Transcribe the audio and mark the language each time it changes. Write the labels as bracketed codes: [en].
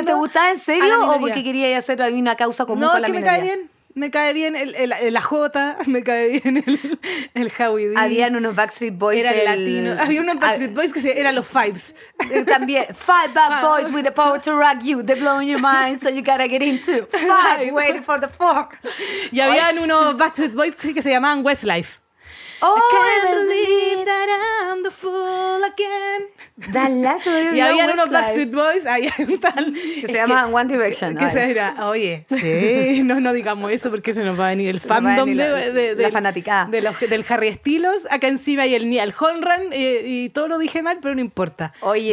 [es] ¿Pero te gustaba en serio o porque querías hacer una causa común con la minoría? No, es que me cae bien. Me cae bien el AJ, me cae bien el Howie D. Habían unos Backstreet Boys. Era el latino. Había unos Backstreet Boys que eran los Fives. También. [en] Five bad boys with the power to rock you. They're blowing your mind, so you gotta get into. Five, waiting for the four. [es] Y habían unos Backstreet Boys que se llamaban Westlife. [en] Oh, I can't believe that I'm the fool again. Dallas, [es] y había unos Backstreet Boys, ahí un tal que se llama One Direction. Que se dirá, oye, sí, no digamos eso porque se nos va a venir el fandom de la fanaticada. Del Harry Styles. Acá encima hay el Niall Horan y todo lo dije mal, pero no importa. Oye,